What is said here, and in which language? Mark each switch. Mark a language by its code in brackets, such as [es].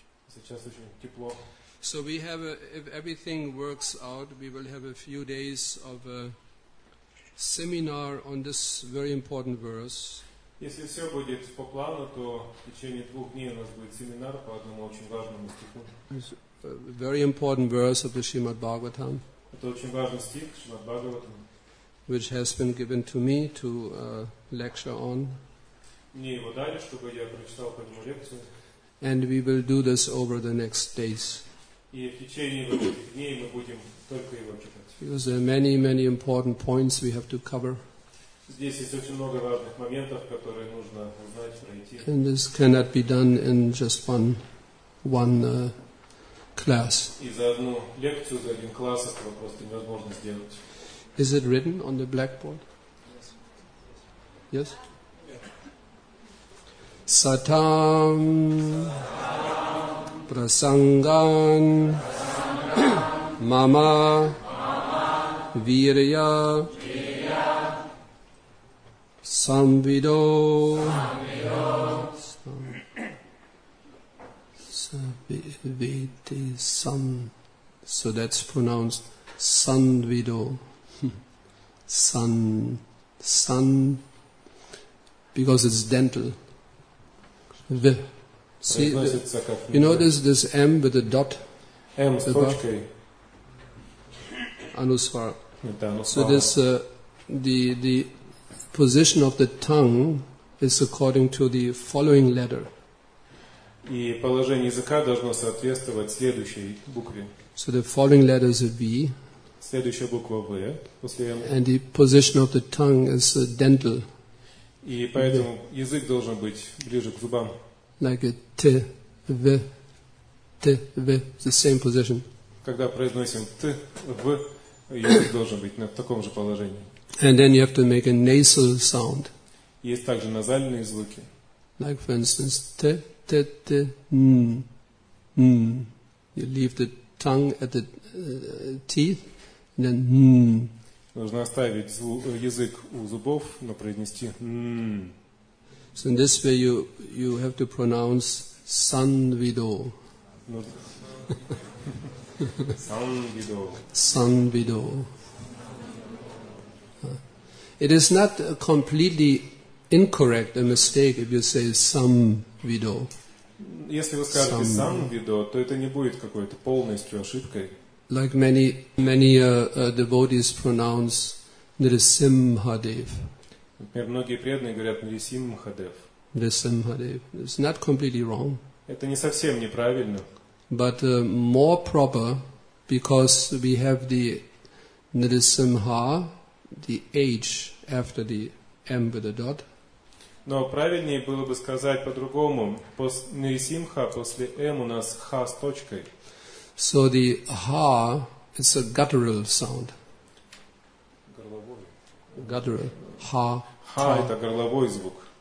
[ru] Сейчас очень тепло. [en] So we have if everything works out, we will have a few days of a seminar on this very important verse. [ru] Если все будет по плану, то в течение двух дней у нас будет семинар по одному очень важному стиху. [en] It's a very important verse of the Srimad Bhagavatam. [ru] Это очень важный стих Шримад Бхагаватам. [en] Which has been given to me to lecture on. [ru] Мне его дали, чтобы я прочитал по нему лекцию. [en] And we will do this over the next days. [ru] И в течение этих дней мы будем только его читать. [en] Because there are many, many important points we have to cover. [ru] Здесь есть очень много важных моментов, которые нужно узнать, пройти. [en] And this cannot be done in just one class. [ru] И за одну лекцию, за один класс этого просто невозможно сделать. [en] Is it written on the blackboard? Yes. Yes? [sa] Satam prasangan mama virya samvido samviti sam. [en] So that's pronounced samvido. Sun, because it's dental. V. See, you know this M with a dot? [ru] M, с точкой. [en] Anuswara. So this, the position of the tongue is according to the following letter. [ru] И положение языка должно соответствовать следующей букве. [en] So the following letter is a V. [ru] Следующая буква V. [en] And the position of the tongue is a dental. [ru] И поэтому язык должен быть ближе к зубам. [en] Like a t, v, the same position. [ru] Когда произносим t, v, язык должен быть на таком же положении. [en] And then you have to make a nasal sound. [ru] Есть также назальные звуки. [en] Like for instance, t, n, n. You leave the tongue at the teeth, and then n. [ru] Нужно оставить язык у зубов, но произнести n. [en] So in this way you have to pronounce Sanvido. [sa] Sanvido. Sanvido. [en] It is not completely incorrect, a mistake, if you say Sanvido. [ru] Если вы скажете Sanvido, то это не будет какой-то полностью ошибкой. [en] Like many devotees pronounce Nrisimhadev. [ru] Например, многие преданные говорят Нрисимхадев. [en] Nrisimhadev. It's not completely wrong. [ru] Это не совсем неправильно. [en] But more proper, because we have the Nrisimha, the H after the M with the dot. [ru] Но правильнее было бы сказать по-другому. Нрисимха после M у нас H с точкой. [en] So the ha is a guttural sound. [ru] Горловой. [en] Guttural. Ha. [ru] Ha – это горловой звук.